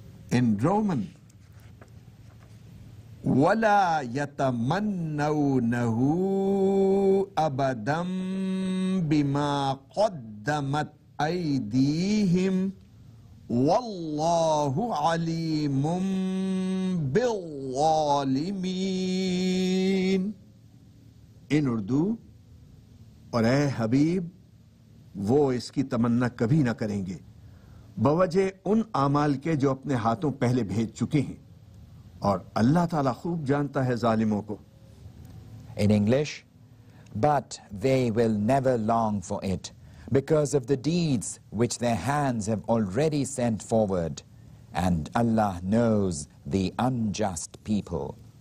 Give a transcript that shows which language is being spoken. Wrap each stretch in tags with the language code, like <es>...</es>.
<en>In Roman,</en> <ar>ولا يتمنونه أبدا بما قدمت أيديهم والله عليم بالظالمين.</ar> <ur>ان اردو اور اے حبیب وہ اس کی تمنا کبھی نہ کریں گے بوجہ ان اعمال کے جو اپنے ہاتھوں پہلے بھیج چکے ہیں اور اللہ تعالی خوب جانتا ہے ظالموں کو.</ur> <en>In English, but they will never long for it because of the deeds which their hands have already sent forward, and Allah knows the unjust people.</en>